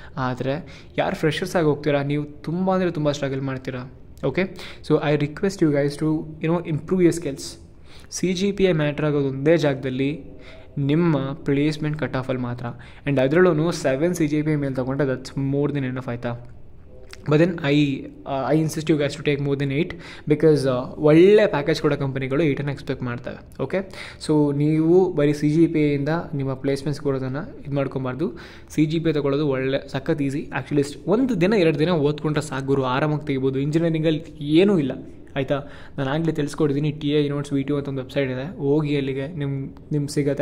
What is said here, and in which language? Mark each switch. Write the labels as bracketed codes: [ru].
[kn] ಆದರೆ ಯಾರು ಫ್ರೆಷರ್ಸ್ ಆಗಿ ಹೋಗ್ತೀರಾ, ನೀವು ತುಂಬ ಅಂದರೆ ತುಂಬ ಸ್ಟ್ರಗಲ್ ಮಾಡ್ತೀರಾ. [en] Okay, so I request you guys to you know improve your skills. [kn] C G P A matter ಆಗೋದು ಒಂದೇ ಜಾಗದಲ್ಲಿ, ನಿಮ್ಮ ಪ್ಲೇಸ್ಮೆಂಟ್ ಕಟ್ ಆಫಲ್ಲಿ ಮಾತ್ರ. ಆ್ಯಂಡ್ ಅದರಲ್ಲೂ 7 CGPA ಮೇಲೆ ತೊಗೊಂಡ್ರೆ [en] that's more than enough, [kn] ಆಯಿತಾ? [en] But then I insist you guys to take more than 8 because [kn] ಒಳ್ಳೆ ಪ್ಯಾಕೇಜ್ ಕೂಡ ಕಂಪನಿಗಳು 8 ಎಕ್ಸ್ಪೆಕ್ಟ್ ಮಾಡ್ತವೆ. ಓಕೆ, ಸೊ ನೀವು ಬರೀ ಸಿ ಜಿ ಪಿ ಇಂದ ನಿಮ್ಮ ಪ್ಲೇಸ್ಮೆಂಟ್ಸ್ ಕೊಡೋದನ್ನು ಇದು ಮಾಡ್ಕೊಬಾರ್ದು. ಸಿ ಜಿ ಪಿ ತೊಗೊಳ್ಳೋದು ಒಳ್ಳೆ ಸಖತ್ ಈಸಿ ಆ್ಯಕ್ಚುಲಿ. ಒಂದು ದಿನ ಎರಡು ದಿನ ಓದ್ಕೊಂಡ್ರೆ ಸಾಕು, ಆರಾಮಾಗಿ ತೆಗಿಬೋದು. ಇಂಜಿನಿಯರಿಂಗಲ್ಲಿ ಏನೂ ಇಲ್ಲ. ಆಯಿತಾ, ನಾನು ಆಗಲೇ ತಿಳಿಸ್ಕೊಡಿದ್ದೀನಿ, T I notes V T ಅಂತ ಒಂದು ವೆಬ್ಸೈಟ್ ಇದೆ, ಹೋಗಿ ಅಲ್ಲಿಗೆ ನಿಮ್ಗೆ ಸಿಗುತ್ತೆ.